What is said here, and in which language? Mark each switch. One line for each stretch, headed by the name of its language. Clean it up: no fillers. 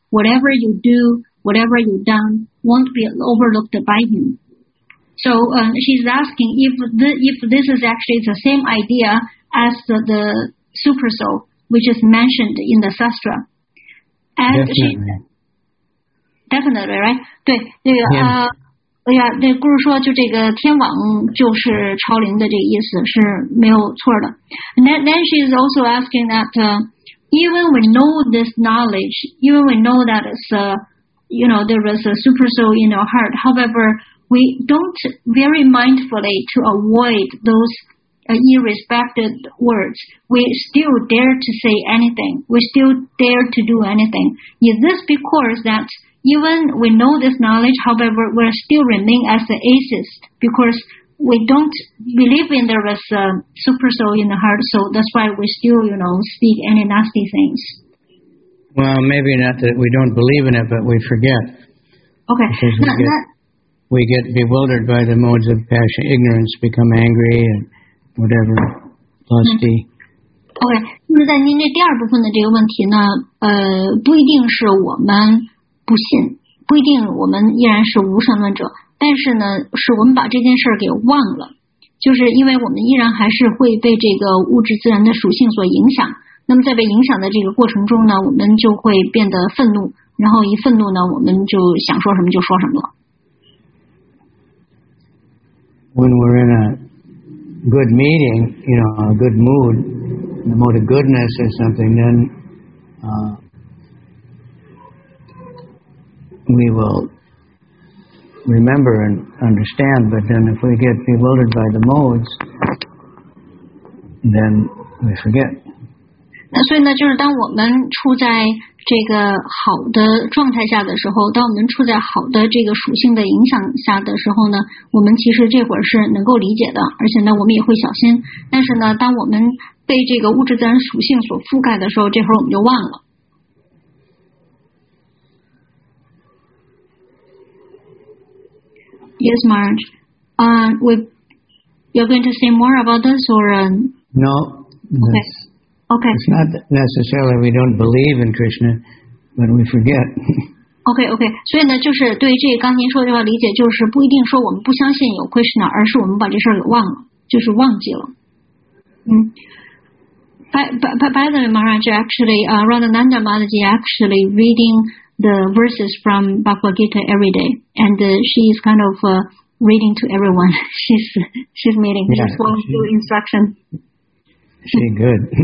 English: Whatever you do, whatever you've done, won't be overlooked by Him. So she's asking if this is actually the same idea as the super soul, which is mentioned in the Shastra. Definitely, right?
Chinese: 对，那个哎呀，那故事说就这个天网就是超灵的这个意思是没有错的。
English: Then she is also asking that even we know this knowledge, even we know that it's, there is a super soul in our heart, however, we don't very mindfully to avoid those irrespected words. We still dare to say anything. We still dare to do anything. Is this because that... Even we know this knowledge, however, we still remain as the aces because we don't believe in there is a super soul in the heart, so that's why we still, speak any nasty things. Well, maybe not that we don't believe in it, but we forget. Okay. We get bewildered by the modes of passion, ignorance, become angry and whatever, lusty. Okay.
Chinese: 那么在您这第二部分的这个问题呢，不一定是我们不信，不一定我们依然是无神论者，但是呢是我们把这件事儿给忘了，就是因为我们依然还是会被这个物质自然的属性所影响，那么在被影响的这个过程中呢，我们就会变得愤怒，然后一愤怒呢我们就想说什么就说什么了。
English: When we're in a good meeting, a good mood, the mode of goodness or something, then we will remember and understand, but then if we get bewildered by the modes, then we forget.
Chinese: 那所以呢，就是当我们处在这个好的状态下的时候，当我们处在好的这个属性的影响下的时候呢，我们其实这会儿是能够理解的，而且呢，我们也会小心。但是呢，当我们被这个物质自然属性所覆盖的时候，这会儿我们就忘了。
English: Yes, Maharaj. You're going to say more about this or? No. Okay. It's not necessarily we don't believe in Krishna, but we forget. Okay.
Chinese: 所以呢，就是对于这刚您说的这个理解，就是不一定说我们不相信有 Krishna， 而是我们把这事儿给忘了，就是忘记了。嗯。
English: By the way, Maharaj, actually, Radhananda Mataji actually reading the verses from Bhagavad Gita every day, and she is kind of reading to everyone. She's meeting. Yeah, she's following through instruction. She's good.